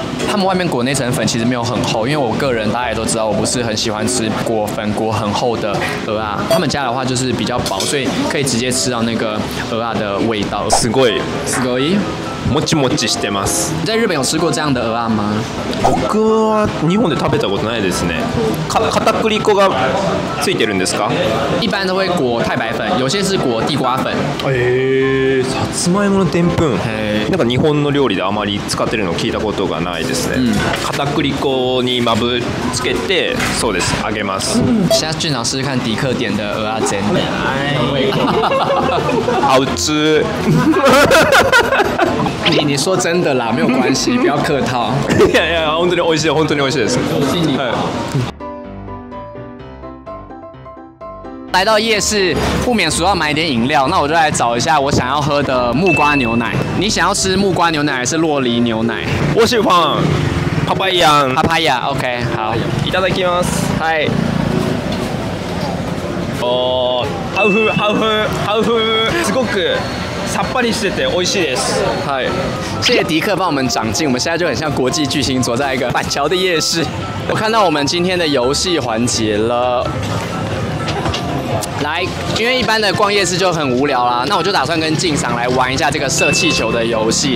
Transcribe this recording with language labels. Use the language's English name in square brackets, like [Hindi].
[Chinese] 他们外面裹那层粉其实没有很厚，因为我个人大家也都知道，我不是很喜欢吃裹粉裹很厚的鹅啊。他们家的话就是比较薄，所以可以直接吃到那个鹅啊的味道。 [Japanese] すごい。すごい。もちもちしてます。 [Chinese] 你在日本有吃过这样的鹅啊吗？ [Japanese] 僕は日本で食べたことないですね。片栗粉がついてるんですか？ [Chinese] 一般都会裹太白粉，有些是裹地瓜粉。 [Japanese] さつまいものでんぷん。なんか日本の料理であまり使ってるの聞いたことがないですね。片栗粉にまぶつけて、そうです、揚げます。 [Chinese] 现在俊朗试试看迪克点的鹅啊煎。好吃。你说真的啦，没有关系，不要客套。 [Japanese] 呀，本当に美味しい、本当に美味しいです。 [Chinese] 我信你。来到夜市，不免俗要买点饮料，那我就来找一下我想要喝的木瓜牛奶。你想要吃木瓜牛奶还是洛梨牛奶？我喜欢帕帕亚。帕帕亚 ，OK， 好。 [Japanese] いただきます。はい。お、ハフハフハフ、すごく。さっぱりしてて美味しいです。はい。 [Chinese] 谢谢迪克帮我们长进，我们现在就很像国际巨星，坐在一个板桥的夜市。我看到我们今天的游戏环节了。来，因为一般的逛夜市就很无聊啦，那我就打算跟晋赏来玩一下这个射气球的游戏。